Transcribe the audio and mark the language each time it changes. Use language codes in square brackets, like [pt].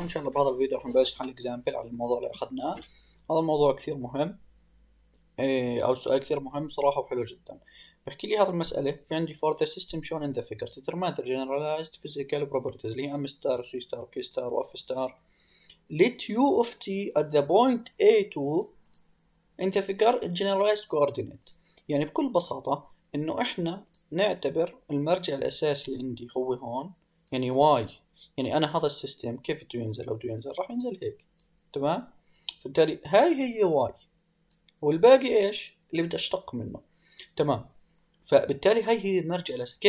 [ar] إن شاء الله بهذا الفيديو حنبلش حل اكزامبل على الموضوع اللي أخذناه. هذا الموضوع كثير مهم، أو سؤال كثير مهم صراحة وحلو جدا. بحكي لي هذه المسألة: في عندي [en] for the system shown in the figure determine the generalized physical properties [ar] اللي هي M star C star K star و F star. [en] Let U of T at the point A2 in the figure a generalized coordinate. [ar] يعني بكل بساطة إنه إحنا نعتبر المرجع الأساسي اللي عندي هو هون، يعني Y. يعني انا هذا السيستم كيف بده ينزل او بده ينزل؟ راح ينزل هيك، تمام؟ فبالتالي هاي هي واي، والباقي ايش؟ اللي بدي اشتق منه، تمام؟ فبالتالي هاي هي المرجع الاساسي.